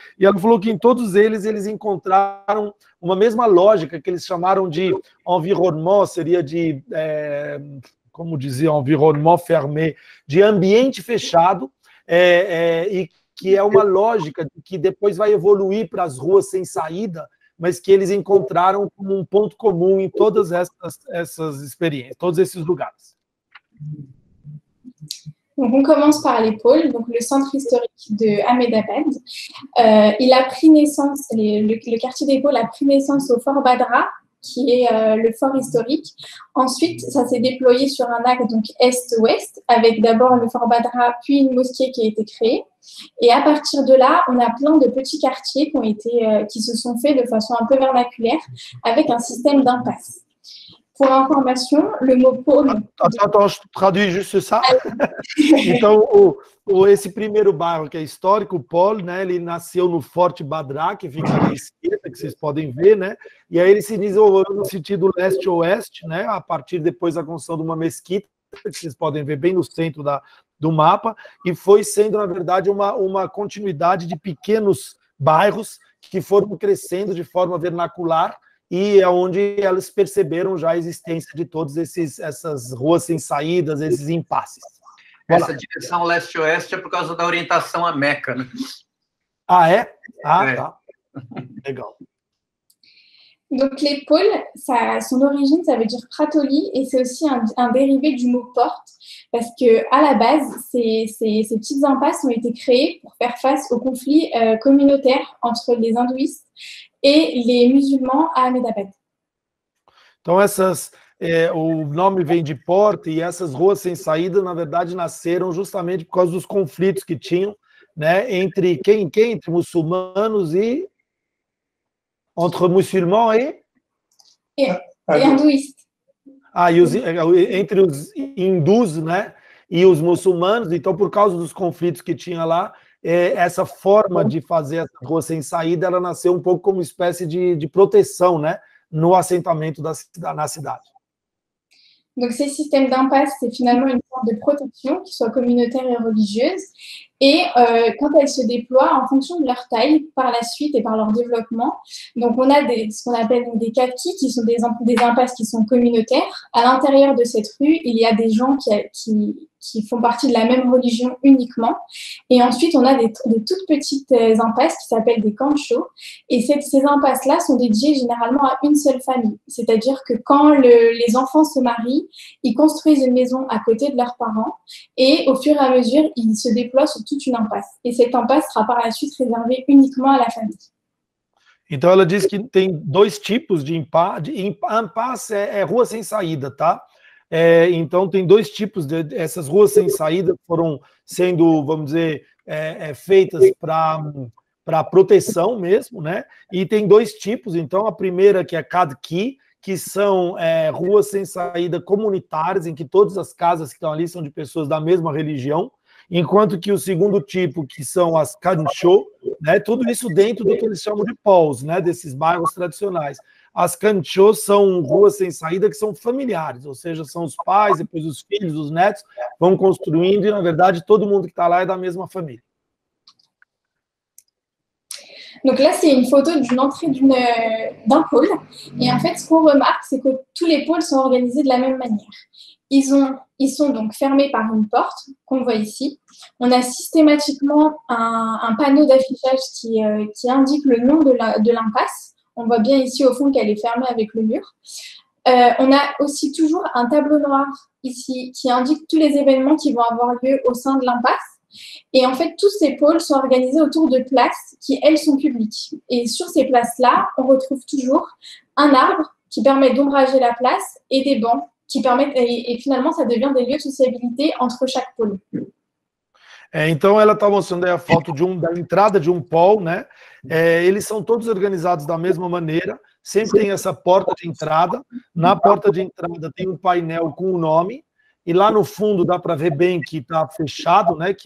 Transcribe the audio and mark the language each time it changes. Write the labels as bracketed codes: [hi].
[pt] E ela falou que em todos eles encontraram uma mesma lógica que eles chamaram de environnement, seria de, como dizia, [fr] environnement fermé, [pt] de ambiente fechado, e que é uma lógica que depois vai evoluir para as ruas sem saída, mas que eles encontraram como um ponto comum em todas essas experiências, todos esses lugares. [fr] Donc on commence par les pôles, donc le centre historique de Ahmedabad. Il a pris naissance, le quartier des pôles a pris naissance au fort Badra, qui est le fort historique. Ensuite, ça s'est déployé sur un axe donc est-ouest, avec d'abord le fort Badra, puis une mosquée qui a été créée. Et à partir de là, on a plein de petits quartiers qui se sont faits de façon un peu vernaculaire, avec un système d'impasse. Pour information, le mot pôle. Attends, je traduis juste ça. [pt] Então, esse primeiro bairro que é histórico, o Paul, né, ele nasceu no Forte Badra, que fica ali à esquerda, que vocês podem ver, né? E aí ele se desenvolveu no sentido leste-oeste, né? A partir depois da construção de uma mesquita, que vocês podem ver bem no centro do mapa e foi sendo, na verdade, uma continuidade de pequenos bairros que foram crescendo de forma vernacular e é onde elas perceberam já a existência de todos esses essas ruas sem saídas, esses impasses. Essa Olá. Direção leste-oeste é por causa da orientação à Meca, né? Ah, é? Ah, é. Tá. Legal. [fr] Donc les pôles, ça, son origine, ça veut dire pratoli, et c'est aussi un dérivé du mot porte, parce que à la base, ces petites impasses ont été créées pour faire face aux conflits communautaires entre les hindouistes et les musulmans à Ahmedabad. [pt] Então essas, o nome vem de porte e essas ruas sem saída, na verdade, nasceram justamente por causa dos conflitos que tinham, né, entre quem entre muçulmanos e [fr] entre musulmans et hindouistes. [pt] Ah, entre os hindus, né, e os muçulmanos. Então, por causa dos conflitos que tinha lá, essa forma de fazer essa rua sem saída, ela nasceu um pouco como espécie de proteção, né, no assentamento na cidade. [fr] Donc, ce système d'impasse, c'est finalement une forme de protection, que soit communautaire et religieuse. Et quand elles se déploient en fonction de leur taille, par la suite et par leur développement, donc on a ce qu'on appelle des kafkis, qui sont des impasses qui sont communautaires. À l'intérieur de cette rue, il y a des gens qui font partie de la même religion uniquement. Et ensuite, on a des toutes petites impasses qui s'appellent des kanchos. Et ces impasses-là sont dédiées généralement à une seule famille. C'est-à-dire que quand les enfants se marient, ils construisent une maison à côté de leurs parents. Et au fur et à mesure, ils se déploient sur toute une impasse. Et cette impasse sera par la suite réservée uniquement à la famille. [pt] Então, ela diz que tem dois tipos de impasse. É rua sem saída, tá? Então, tem dois tipos, essas ruas sem saída foram sendo, vamos dizer, feitas para proteção mesmo, né? E tem dois tipos, então, a primeira que é Kadki, que são ruas sem saída comunitárias, em que todas as casas que estão ali são de pessoas da mesma religião, enquanto que o segundo tipo, que são as Kancho, né? Tudo isso dentro do que eles chamam de Pols, né? Desses bairros tradicionais. As canchos são ruas sem saída que são familiares, ou seja, são os pais, depois os filhos, os netos, vão construindo e, na verdade, todo mundo que está lá é da mesma família. [fr] Donc là, c'est une photo d'une entrée d'un pôle. Et en fait, ce qu'on remarque, c'est que tous les pôles sont organisés de la même manière. Ils sont donc fermés par une porte qu'on voit ici. On a systématiquement un panneau d'affichage qui indique le nom de l'impasse. On voit bien ici au fond qu'elle est fermée avec le mur. On a aussi toujours un tableau noir ici qui indique tous les événements qui vont avoir lieu au sein de l'impasse. Et en fait, tous ces pôles sont organisés autour de places qui, elles, sont publiques. Et sur ces places-là, on retrouve toujours un arbre qui permet d'ombrager la place et des bancs qui permettent... Et finalement, ça devient des lieux de sociabilité entre chaque pôle. [pt] Então, ela está mostrando aí a foto da entrada de um pol, né? Eles são todos organizados da mesma maneira, sempre tem essa porta de entrada. Na porta de entrada tem um painel com o nome, e lá no fundo dá para ver bem que está fechado, né?